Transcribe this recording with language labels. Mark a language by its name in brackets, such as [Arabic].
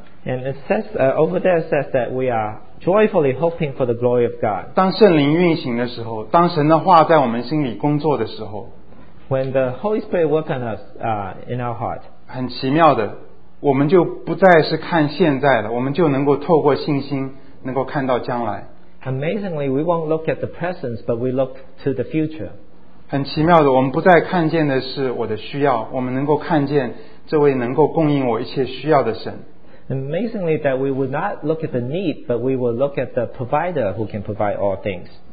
[English] And it says over there it says that we are joyfully hoping for the glory of God. [Chinese] 当圣灵运行的时候，当神的话在我们心里工作的时候。 [English] When the Holy Spirit works on us in our heart. [Chinese] 很奇妙的。我们就不再是看现在了，我们就能够透过信心能够看到将来。 [English] Amazingly, we won't look at the present, but we look to the future. [Chinese] 很奇妙的，我们不再看见的是我的需要，我们能够看见这位能够供应我一切需要的神。 [English] Amazingly, that we would not look at the need, but we will look at the provider who can provide all things.